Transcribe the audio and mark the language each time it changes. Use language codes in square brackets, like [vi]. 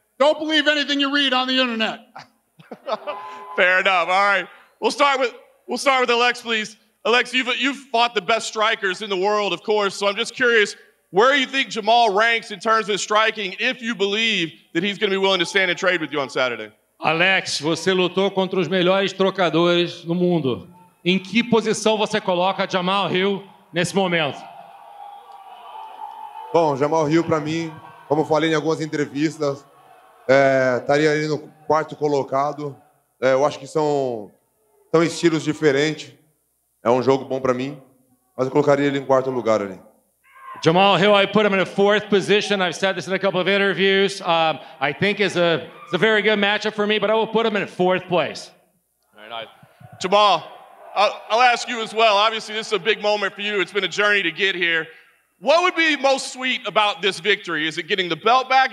[en] Don't believe anything you read on the internet. Fair enough. All right. We'll start with Alex, please. Alex, you've fought the best strikers in the world, of course. So I'm just curious, where do you think Jamahal ranks in terms of striking if you believe that he's going to be willing to stand and trade with you on Saturday? [pt] Alex, você lutou contra os melhores trocadores do mundo. Em que posição você coloca Jamahal Hill nesse momento? Bom, Jamahal Hill, para mim, como falei em algumas entrevistas, estaria ali no quarto colocado. Eu acho que são estilos diferentes. É jogo bom para mim, mas eu colocaria ele em quarto lugar ali. [en] Jamahal Hill, I put him in a fourth position. I've said this in a couple of interviews. I think it's a very good matchup for me, but I will put him in a fourth place. All right, Jamahal, I'll ask you as well. Obviously, this is a big moment for you. It's been a journey to get here. What would be most sweet about this victory? Is it getting the belt back?